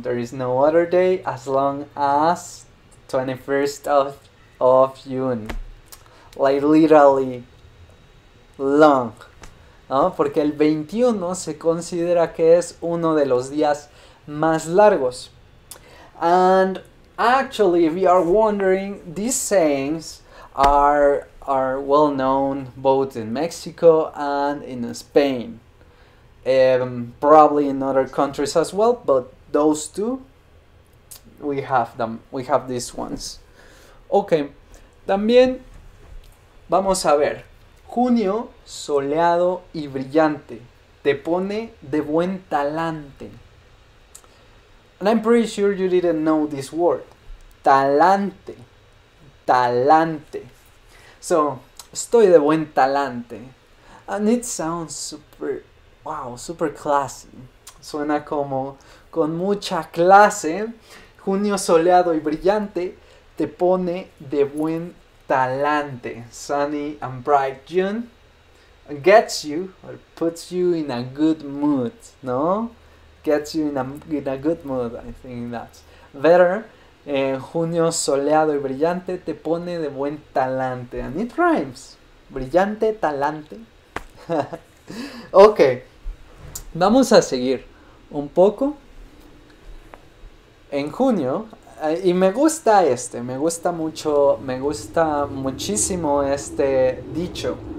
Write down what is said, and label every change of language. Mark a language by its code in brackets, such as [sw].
[en] There is no other day as long as 21st of June. Like literally long, ¿no? [es] Porque el 21 se considera que es uno de los días más largos. [en] And actually, if you are wondering, these sayings are well known both in Mexico and in Spain. Probably in other countries as well, but those two, we have them. We have these ones. Ok, [es] también vamos a ver. Junio soleado y brillante te pone de buen talante. [en] And I'm pretty sure you didn't know this word. [es] Talante. Talante. So, estoy de buen talante. [en] And it sounds super, wow, super classy. [es] Suena como con mucha clase. Junio soleado y brillante te pone de buen talante. [en] Talante, sunny and bright June gets you or puts you in a good mood, ¿no? Gets you in a good mood, I think that's better. [es] Junio soleado y brillante te pone de buen talante. [en] And it rhymes. [es] Brillante, talante. Ok, vamos a seguir un poco. En junio. Y me gusta este, me gusta mucho, me gusta muchísimo este dicho.